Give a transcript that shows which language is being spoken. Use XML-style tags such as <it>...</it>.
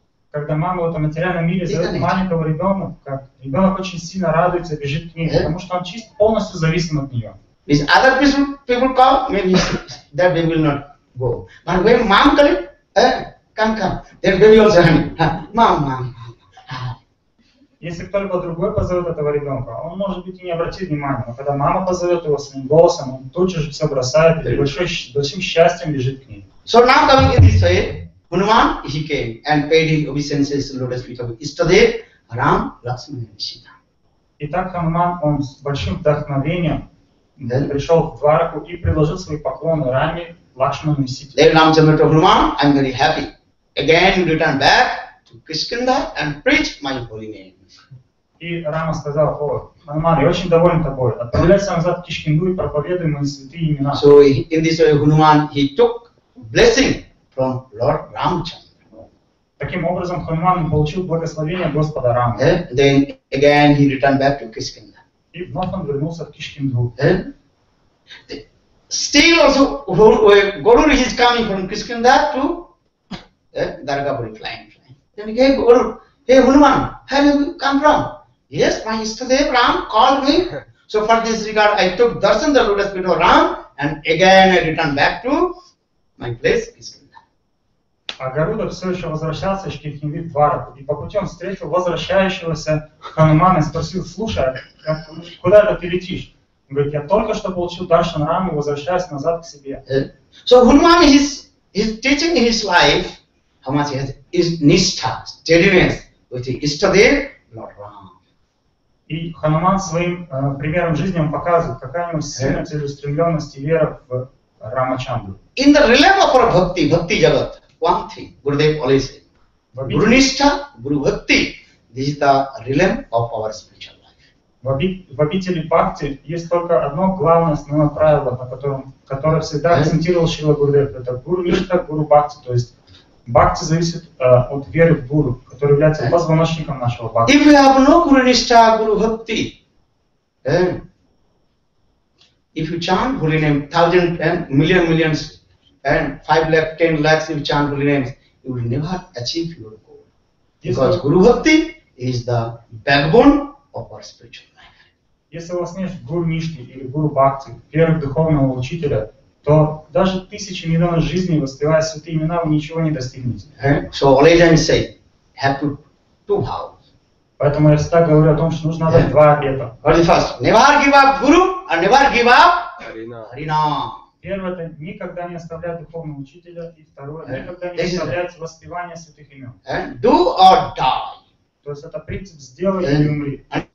<ru>Когда мама в этом материальном мире зовет маленького ребенка, ребенок очень сильно радуется, бежит к ней, потому что он чисто полностью зависим от нее.</ru> <en>If other people call, maybe that baby will not go. But when mom calls, come, then baby also happy. Mom.</en> <ru>Если кто-либо другой позовет этого ребенка, он может быть и не обратит внимания, но когда мама позовет его своим голосом, он тут же все бросает и большим счастьем бежит к ней.</ru> <en>So now coming in this way, Hanuman he came and paid his obeisances to Lord Ishtadev, Ram, Lakshmana and Sita.</en> <ru>Итак, Хануман он с большим вдохновением пришел в Двараку и предложил свои поклоны Раме, Лакшману и Сите.</ru> <en>Then Ramchandra told Hanuman, I'm very happy. Again return back to Kishkindha and preach my holy name.</en> <ru>И Рама сказал, о, Хануман, я очень доволен тобой. Отправляйся назад в Кишкинду и проповедуй мои святые имена.</ru> <en>So in this way, Hanuman, he took blessing from Lord Ramchandra.</en> <ru>Таким образом, Хануман получил благословение Господа Рамы.</ru> <en>Then again he returned back to Kishkindha.</en> <ru>И вновь он вернулся в Кишкинду.</ru> <en>Still also, Guru is coming from Kishkindha to Dargapuri, flying. Then again, Guru, hey Hanuman, where have you come from? Yes, my Ishtadev Ram called me. So for this regard, I took darshan the lotus feet of Ram and again I returned back to my place, Kishkindha.</en> <ru>А Гаруда все еще возвращался в Кишкинду Двараку. И по пути он встретил возвращающегося Ханумана и спросил, слушай, куда это ты летишь? Он говорит, я только что получил даршан Рам и возвращаюсь назад к себе.</ru> <en>So Hanuman is teaching his life how much he has his nishtha, steadiness with his Ishtadev, Lord Ram.</en> <ru>И Хануман своим примером жизни он показывает, какая у него сильная целеустремленность и вера в Рамачандру.</ru> <en>In the realm of our bhakti, bhakti jagat, one thing, Gurudev always said, Guru Nishtha, Guru Bhakti, This is the realm of our spiritual life.</en> <ru>В обители Бхакти есть только одно главное основное правило, на котором, которое всегда акцентировал Шрила Гурудев. Это Гуру Ништа, Гуру Бхакти. То есть Бхакти зависит от веры в Гуру, который является позвоночником нашего Бхакти.</ru> <en>If we have no Guru Ništha, Guru Bhakti, if you chant holy name, thousand and million millions and 5 lakh, 10 lakhs, if you chant holy names, you will never achieve your goal. Because Guru Bhakti is the backbone of our spiritual life.</en> <ru>Если у вас нет Гуру Ништи или Гуру Бхакти, веры в духовного учителя, то даже тысячи миллионов жизней, воспевая святые имена, вы ничего не достигнете.</ru> <en>So always I say, have to how.</en> <ru>Поэтому я всегда говорю о том, что нужно дать два обета.</ru> <en>What is first? Never give up Guru and never give up Harinam.</en> <ru>Первое – это никогда не оставлять духовного учителя. И второе – никогда не оставлять воспевание святых имен.</ru> <en>And do or die.</en> <ru>То есть это принцип «сделай или умри».</ru>